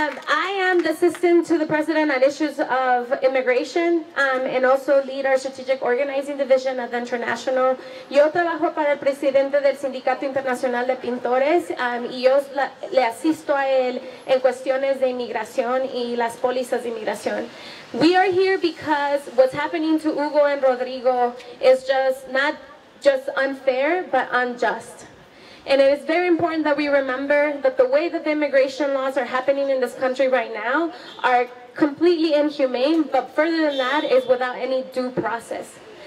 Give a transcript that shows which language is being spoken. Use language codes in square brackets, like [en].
[en] I am the assistant to the president on issues of immigration and also lead our strategic organizing division of the international. [es] Yo trabajo para el presidente del Sindicato Internacional de Pintores y yo le asisto a él en cuestiones de inmigración y las pólizas de inmigración. [en] We are here because what's happening to Hugo and Rodrigo is just not just unfair, but unjust. And it is very important that we remember that the way that the immigration laws are happening in this country right now are completely inhumane, but further than that is without any due process.